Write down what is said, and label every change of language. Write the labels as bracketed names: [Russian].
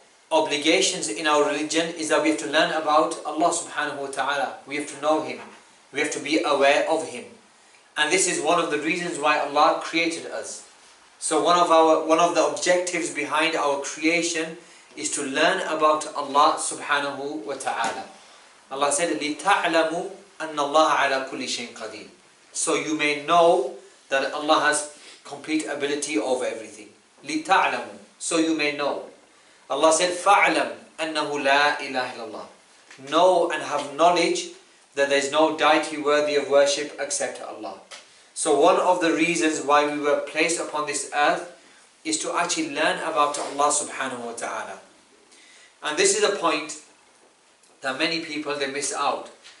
[English] obligations in our religion is that we have to learn about Allah subhanahu wa ta'ala. We have to know Him. We have to be aware of Him. And this is one of the reasons why Allah created us. So one of the objectives behind our creation is to learn about Allah subhanahu wa ta'ala. Allah said, [Arabic] لِتَعْلَمُوا أَنَّ اللَّهَ عَلَى كُلِّ شَيْءٍ قَدِيرٍ. [English] So you may know that Allah has complete ability over everything. لِتَعْلَمُوا. So you may know. Allah said, [Arabic] فَعْلَمْ أَنَّهُ لَا إِلَهِ اللَّهِ. [English] Know and have knowledge that there is no deity worthy of worship except Allah. So one of the reasons why we were placed upon this earth is to actually learn about Allah subhanahu wa ta'ala. And this is a point that many people, they miss out.